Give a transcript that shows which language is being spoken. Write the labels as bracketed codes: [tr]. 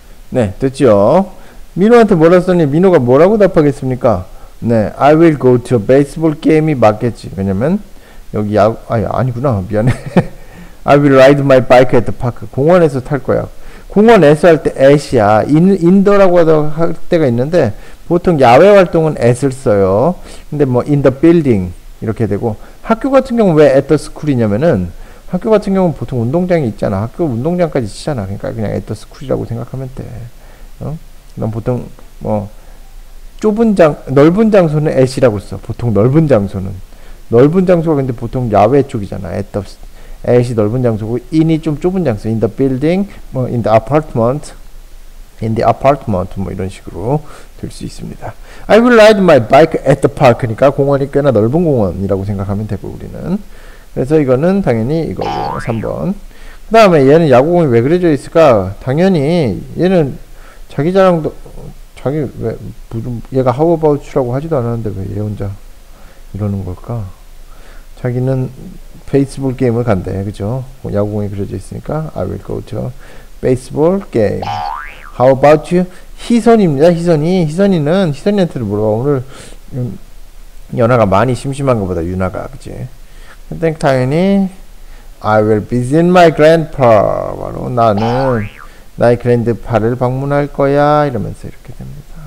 [ko] 네, 됐죠. 민호한테 뭐라 썼니? 민호가 뭐라고 답하겠습니까? 네, [en] I will go to a baseball game [ko] 이 맞겠지. 왜냐면 여기 아니구나. 미안해. [en] I will ride my bike at the park. [ko] 공원에서 탈 거야. 공원에서 할 때 at이야. 인더라고 할 때가 있는데 보통 야외 활동은 at을 써요. 근데 뭐 [en] in the building [ko] 이렇게 되고 학교 같은 경우는 왜 at the school이냐면은 학교 같은 경우는 보통 운동장이 있잖아. 학교 운동장까지 치잖아. 그러니까 그냥 at the school이라고 생각하면 돼. 어? 난 보통 뭐 넓은 장소는 at이라고 써. 보통 넓은 장소는. 넓은 장소가 근데 보통 야외 쪽이잖아. at이 넓은 장소고 in이 좀 좁은 장소. [en] in the building, 뭐 in the apartment, in the apartment 뭐 [ko] 이런 식으로 될 수 있습니다. [en] I will ride my bike at the park. [ko] 그러니까 공원이 꽤나 넓은 공원이라고 생각하면 되고 우리는. 그래서 이거는 당연히 이거고 3번. 그 다음에 얘는 야구공이 왜 그려져 있을까? 당연히 얘는 자기 자랑도 자기 왜 무슨 얘가 [en] How about you [ko] 라고 하지도 않았는데 왜 얘 혼자 이러는 걸까? 자기는 베이스볼 게임을 간대. 그죠? 야구공이 그려져 있으니까 [en] I will go to baseball game. How about you? [ko] 희선입니다. 희선이. 희선이는 희선이한테도 물어봐. 오늘 연아가 많이 심심한 것보다 유나가. 그치? [en] 그땐 당연히 I will visit my grandpa. [ko] 바로 나는 나의 그랜드파를 방문할 거야 이러면서 이렇게 됩니다.